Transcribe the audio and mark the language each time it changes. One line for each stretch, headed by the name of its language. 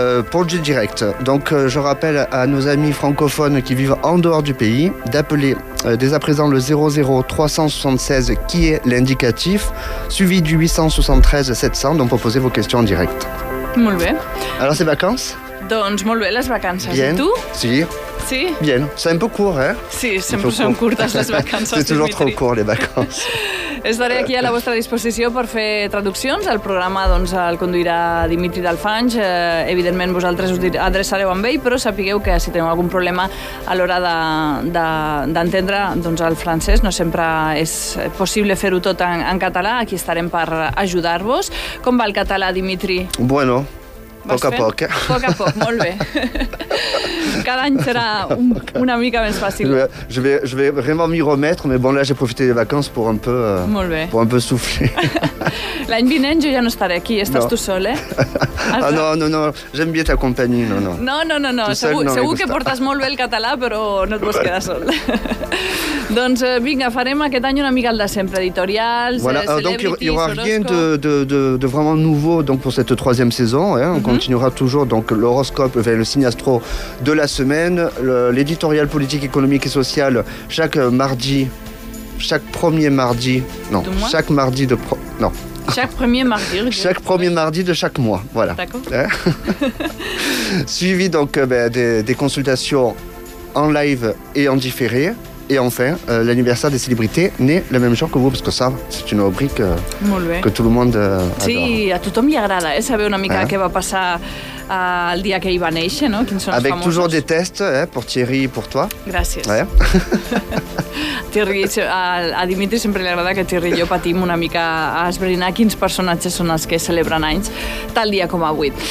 French: Pour le jeu direct. Donc, je rappelle à nos amis francophones qui vivent en dehors du pays d'appeler dès à présent le 00-376 qui est l'indicatif, suivi du 873-700, donc pour poser vos questions en direct.
Catalan: Molt bé.
French: Alors, c'est vacances ?
Catalan: Doncs molt bé, les vacances.
French: Bien. Et tu ?
Catalan: Si. Si.
French: Bien. C'est un peu court, hein ?
Catalan: Si, sempre són curtes les vacances.
French: C'est toujours trop court, les vacances.
Catalan: Estaré aquí a la vostra disposició per fer traduccions. El programa doncs, el conduirà Dimitri d'Alfanj. Evidentment, vosaltres us adreçareu amb ell, però sapigueu que si teniu algun problema a l'hora d'entendre doncs, el francès, no sempre és possible fer-ho tot en català. Aquí estarem per ajudar-vos. Com va el català, Dimitri? Bueno. Poc a poc. Poc a poc, molt bé. Cada any serà una mica més fàcil.
French: Je vais vraiment m'y remettre, mais bon, là j'ai profité des vacances pour un peu, pour un peu souffler.
Catalan: L'any vinent jo ja no estaré aquí, estàs tu sol, eh?
French: Ah, no, j'aime bien ta compagnie, no.
Catalan: No, segur que portes molt bé el català, però no et vols quedar sol. Doncs vinga, farem aquest any una mica el de sempre, editorials,
French: voilà.
English: Celebrities, horoscopes...
French: Il n'y aura rien de vraiment nouveau donc, pour cette troisième saison. Hein. On continuera toujours donc, l'horoscope, enfin, le signe astro de la semaine, l'éditorial politique, économique et sociale chaque mardi, chaque premier mardi, non, chaque mardi de... Non. Chaque premier mardi. Chaque premier mardi de chaque mois, voilà. D'accord. Hein. Suivi donc des consultations en live et en différé. Et enfin, l'anniversaire des célébrités n'est le même jour que vous, parce que ça, c'est une rubrique que tout le monde adore.
Catalan: Sí, a tothom li agrada, eh? Saber una mica què va passar el dia que ell va néixer, no? Quins són els
French: famosos. Toujours des tests, eh? Pour Thierry i pour toi.
Catalan: Gràcies. Ouais. Thierry, a Dimitri sempre li agrada que Thierry i jo patim una mica a esbrinar quins personatges són els que celebren anys tal dia com avui.